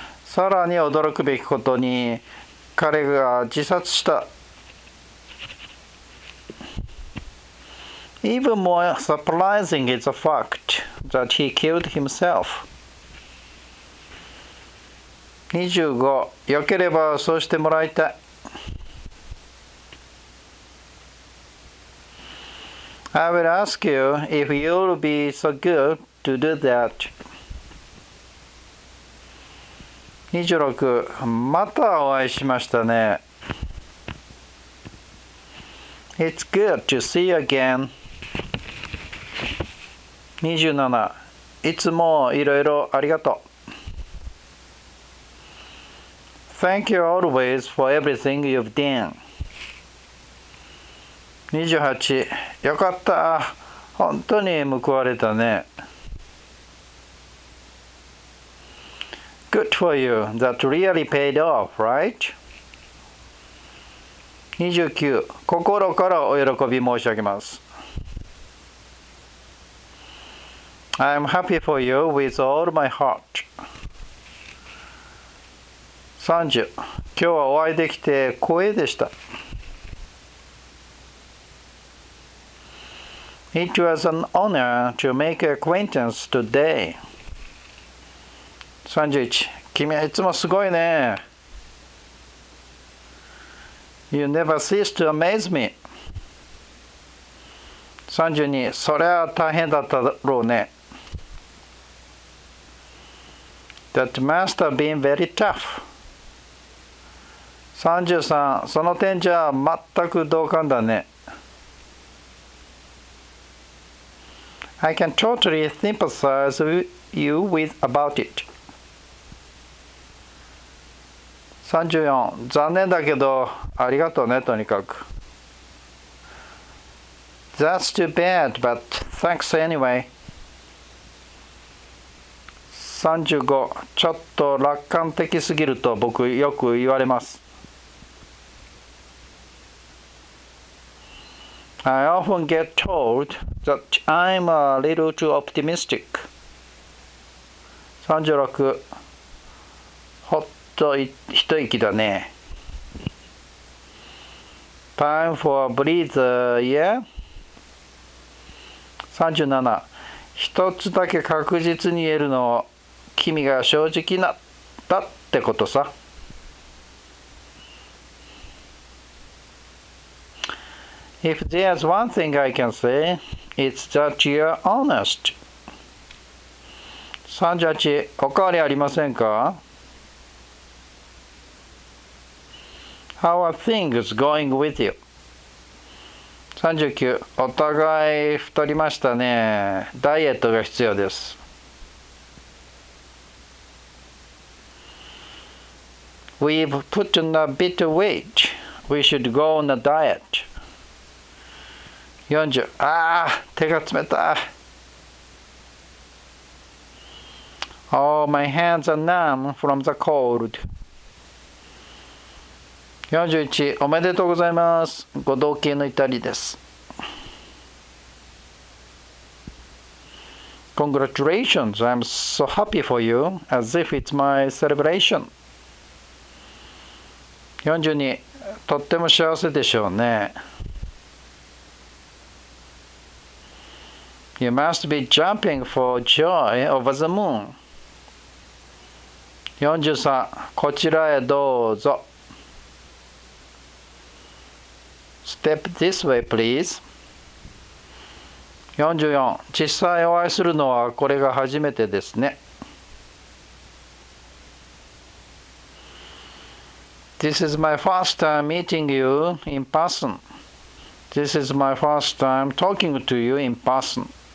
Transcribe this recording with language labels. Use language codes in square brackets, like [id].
[ja] さらに驚くべきことに彼が自殺した。 [en] Even more surprising is the fact that he killed himself. 25. [ja] よければそうしてもらいたい。 [en] I will ask you if you'll be so good to do that. 26. [ja] またお会いしましたね。 [en] It's good to see you again. 27. [ja] いつもいろいろありがとう。 [en] Thank you always for everything you've done. [ja] 28. よかった。本当に報われたね。 [en] Good for you. That really paid off, right? 29. [ja] 心からお喜び申し上げます。 [en] I'm happy for you with all my heart. 30. [ja] 今日はお会いできて光栄でした。 [en] It was an honor to make acquaintance today. 31. [ja] 君はいつもすごいね。 [en] You never cease to amaze me. 32. [ja] それは大変だっただろうね。 [en] That must have been very tough. 33. [ja] その点じゃ全く同感だね。 [en] I can totally sympathize with you with about it. 34. [ja] 残念だけど、ありがとうね、とにかく。 [en] That's too bad, but thanks anyway. 35. [ja] ちょっと楽観的すぎると僕よく言われます。 [en] I often get told that I'm a little too optimistic. [ja] 36. ほっと一息だね。 [en] Time for a breather, yeah? 37. [ja] 一つだけ確実に言えるのは、君が正直なったってことさ。 [en] If there's one thing I can say, it's that you're honest. 38. [ja] おかわりありませんか? [en] How are things going with you? 39. [ja] お互い太りましたね。ダイエットが必要です。 [en] We've put on a bit of weight. We should go on a diet. 40. [ja] ああ、手が冷た。 [en] Oh, my hands are numb from the cold. 41. [ja] おめでとうございます。ご同居の至りです。 [en] Congratulations, I'm so happy for you, as if it's my celebration. 42. [ja] とっても幸せでしょうね。 [en] You must be jumping for joy over the moon. [ja] 43. こちらへどうぞ。 [en] Step this way, please. 44. [ja] 実際お会いするのはこれが初めてですね。 [en] This is my first time meeting you in person. This is my first time talking to you in person.